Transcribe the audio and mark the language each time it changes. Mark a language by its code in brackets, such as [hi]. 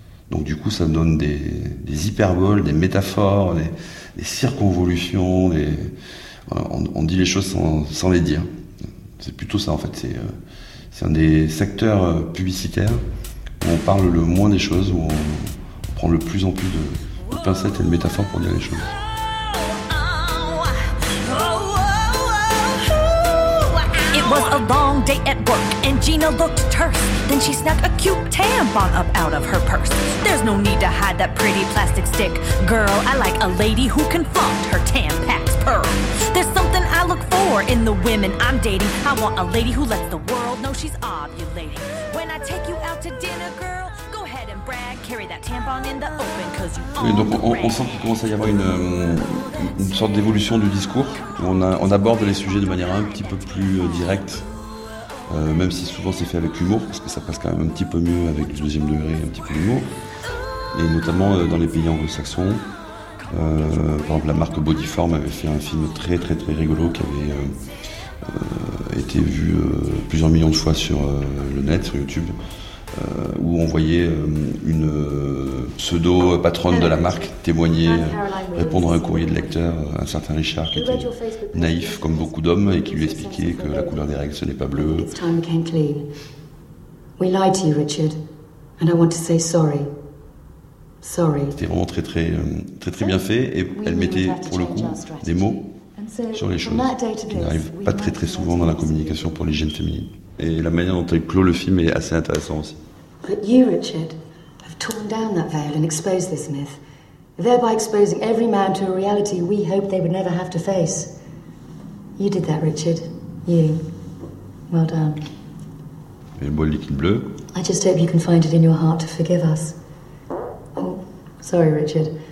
[fr] Donc du coup, ça donne des hyperboles, des métaphores, des circonvolutions, des, on dit les choses sans les dire. C'est plutôt ça, en fait. C'est un des secteurs publicitaires où on parle le moins des choses, où on prend le plus en plus de pincettes et de métaphores pour dire les choses. [en] Was a long day at work, and Gina looked terse. Then she snapped a cute tampon up out of her purse. There's no need to hide that pretty plastic stick. Girl, I like a lady who can flaunt her Tampax pearl. There's something I look for in the women I'm dating. I want a lady who lets the world know she's ovulating. When I take you out to dinner, girl, go ahead and brag. Carry that tampon in the open, cause you own the brand. [fr] On sent qu'il commence à y avoir une sorte d'évolution du discours. On aborde les sujets de manière un petit peu plus directe, même si souvent c'est fait avec humour, parce que ça passe quand même un petit peu mieux avec le deuxième degré, un petit peu d'humour. Et notamment dans les pays anglo-saxons, par exemple la marque Bodyform avait fait un film très très très rigolo qui avait été vu plusieurs millions de fois sur le net, sur YouTube, où on voyait une pseudo-patronne de la marque témoigner, répondre à un courrier de lecteur, un certain Richard qui était naïf comme beaucoup d'hommes et qui lui expliquait que la couleur des règles ce n'est pas bleu. C'était vraiment très très très très bien fait et elle mettait pour le coup des mots sur les choses qui n'arrivent pas très très souvent dans la communication pour l'hygiène féminine. Et la manière dont elle clôt le film est assez intéressante aussi. [en] But you, Richard, have torn down that veil and exposed this myth, thereby exposing every man to a reality we hoped they would never have to face. You did that, Richard. You. Well done. Elle boit le liquide bleu. I just hope you can find it in your heart to forgive us. Oh, sorry, Richard.